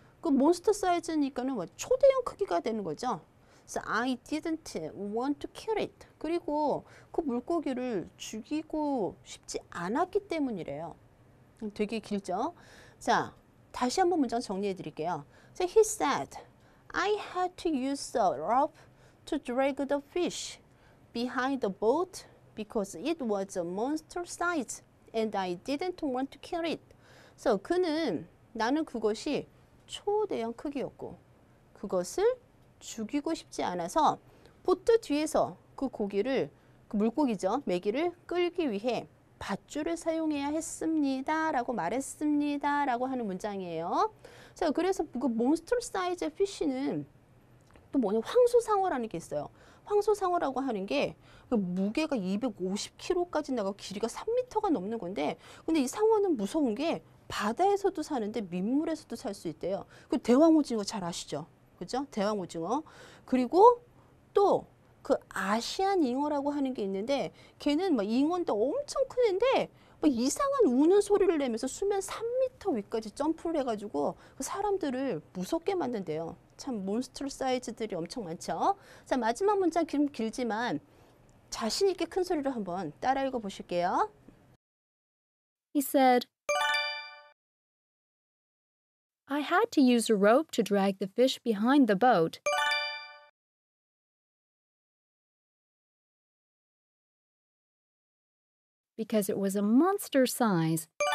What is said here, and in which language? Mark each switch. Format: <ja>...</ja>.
<ko>그 몬스터 사이즈니까는 뭐 초대형 크기가 되는 거죠.</ko> <en>So I didn't want to kill it.</en> <ko>그리고 그 물고기를 죽이고 싶지 않았기 때문이래요. 되게 길죠? 자, 다시 한번 문장 정리해 드릴게요.</ko> <en>So he said, I had to use a rope to drag the fish behind the boat because it was a monster size and I didn't want to kill it.</en> <ko>So 그는 나는 그것이 초대형 크기였고 그것을 죽이고 싶지 않아서 보트 뒤에서 그 고기를 그 물고기죠. 메기를 끌기 위해 밧줄을 사용해야 했습니다. 라고 말했습니다. 라고 하는 문장이에요. 자, 그래서 그 몬스터 사이즈 피쉬는 또 뭐냐, 황소상어라는 게 있어요. 황소상어라고 하는 게 그 무게가 250kg까지 나가고 길이가 3m가 넘는 건데, 근데 이 상어는 무서운 게 바다에서도 사는데 민물에서도 살 수 있대요. 그 대왕오징어 잘 아시죠? 그죠? 대왕오징어. 그리고 또 그 아시안 잉어라고 하는 게 있는데, 걔는 막 잉어인데 엄청 큰데 막 이상한 우는 소리를 내면서 수면 3m 위까지 점프를 해가지고 그 사람들을 무섭게 만든대요. 참 몬스터 사이즈들이 엄청 많죠. 자, 마지막 문장 좀 길지만 자신 있게 큰 소리로 한번 따라 읽어 보실게요.</ko> <en>He said, I had to use a rope to drag the fish behind the boat. Because it was a monster size.</en>